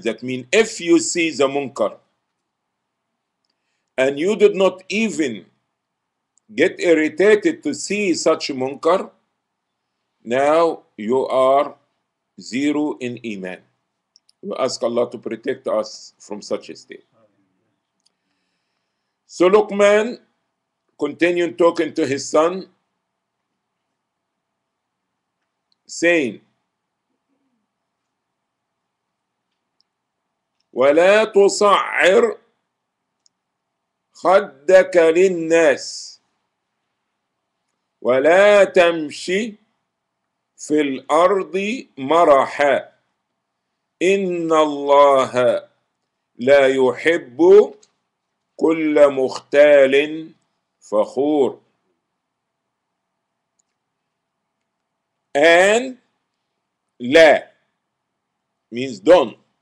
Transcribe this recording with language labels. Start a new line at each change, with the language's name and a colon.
English: That means if you see the munkar, and you did not even get irritated to see such a munkar, now you are 0 in Iman. We ask Allah to protect us from such a state. So Luqman continued talking to his son, saying,
Arabic: وَلَا تُصَعِّرْ خَدَّكَ لِلنَّاسِ وَلَا تَمْشِي في الأرض مرحا إن الله لا يحب كل مختال فخور.
English: And لا means don't.